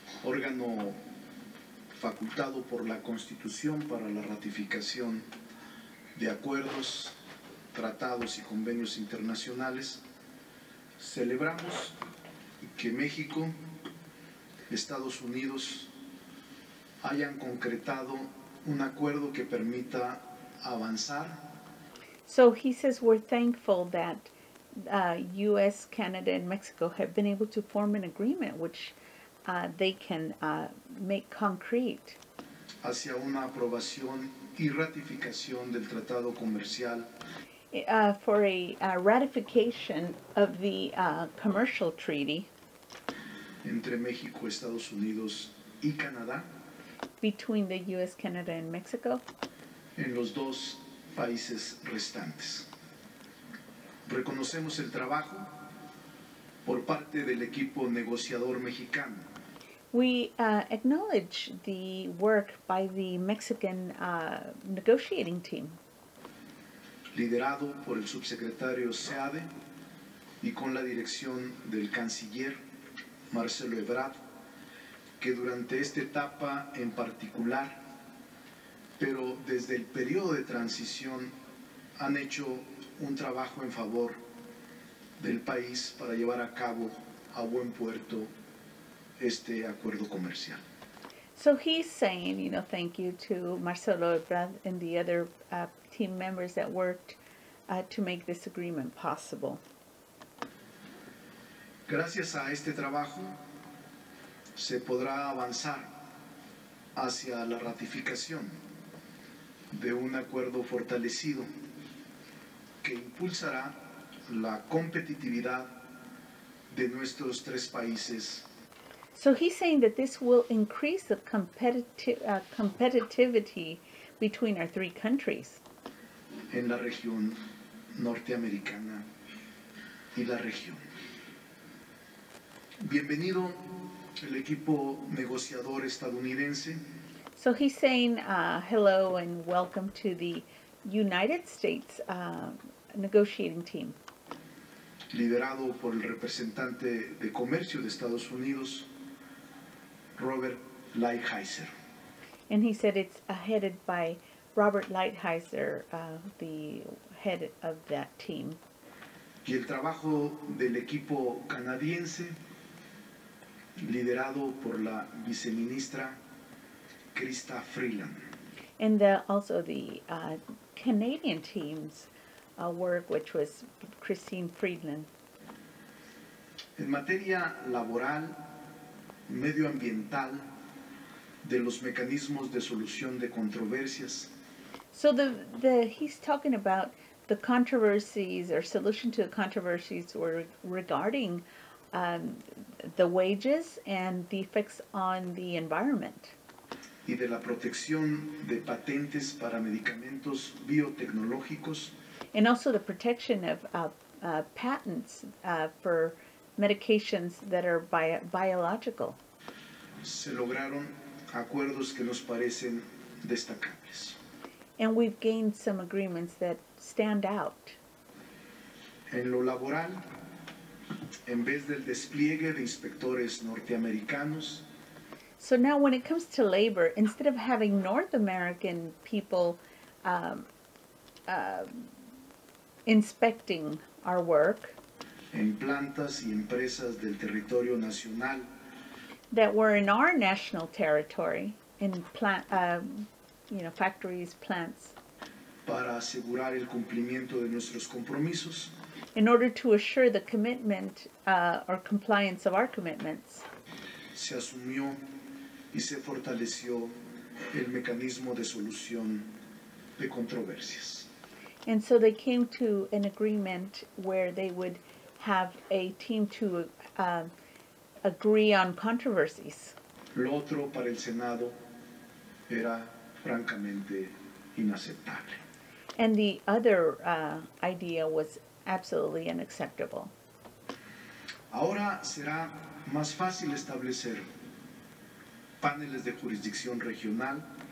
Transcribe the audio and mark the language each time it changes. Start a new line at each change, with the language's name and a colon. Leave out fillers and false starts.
Spanish: órgano facultado por la Constitución para la ratificación de acuerdos, tratados y convenios internacionales, celebramos que México, Estados Unidos, hayan concretado un acuerdo que permita avanzar.
English: So he says we're thankful that U.S., Canada, and Mexico have been able to form an agreement which they can make concrete.
Spanish: Hacia una aprobación y ratificación del tratado comercial.
English: For a ratification of the commercial treaty.
Spanish: Entre México, Estados Unidos y Canadá.
English: Between the U.S., Canada, and Mexico.
Spanish: En los dos países restantes. Reconocemos el trabajo por parte del equipo negociador mexicano.
English: We acknowledge the work by the Mexican negotiating team.
Spanish: Liderado por el subsecretario Seade y con la dirección del canciller Marcelo Ebrard, que durante esta etapa en particular, pero desde el periodo de transición, han hecho un trabajo en favor del país para llevar a cabo a buen puerto este acuerdo comercial.
English: So he's saying, you know, thank you to Marcelo Ebrard and the other team members that worked to make this agreement possible.
Spanish: Gracias a este trabajo se podrá avanzar hacia la ratificación de un acuerdo fortalecido que impulsará la competitividad de nuestros tres países.
English: So he's saying that this will increase the competitivity between our three countries.
Spanish: En la región norteamericana y la región. Bienvenido el equipo negociador estadounidense.
English: So he's saying hello and welcome to the United States negotiating team.
Spanish: Liderado por el representante de comercio de Estados Unidos, Robert Lighthizer.
English: And he said it's headed by Robert Lighthizer, the head of that team.
Spanish: Y el trabajo del equipo canadiense, liderado por la viceministra Krista Freeland.
English: And the, also the Canadian team's work, which was Christine Friedland.
Spanish: En materia laboral, medioambiental, de los mecanismos de solución de controversias.
English: So the he's talking about the controversies or solution to the controversies or regarding the wages and the effects on the environment.
Spanish: Y de la protección de patentes para medicamentos biotecnológicos.
English: And also the protection of patents for medications that are biological.
Spanish: Se lograron acuerdos que nos parecen destacables.
English: And we've gained some agreements that stand out.
Spanish: En lo laboral, en vez del despliegue de inspectores norteamericanos.
English: So now when it comes to labor, instead of having North American people inspecting our work.
Spanish: En plantas y empresas del territorio nacional.
English: That were in our national territory, in plant, you know, factories, plants.
Spanish: Para asegurar el cumplimiento de nuestros compromisos.
English: In order to assure the commitment or compliance of our commitments.
Spanish: Se asumió y se fortaleció el mecanismo de solución de controversias.
English: And so they came to an agreement where they would have a team to agree on controversies.
Spanish: Lo otro para el Senado era francamente inaceptable.
English: And the other idea was absolutely unacceptable.
Spanish: Ahora será más fácil establecer paneles de jurisdicción regional.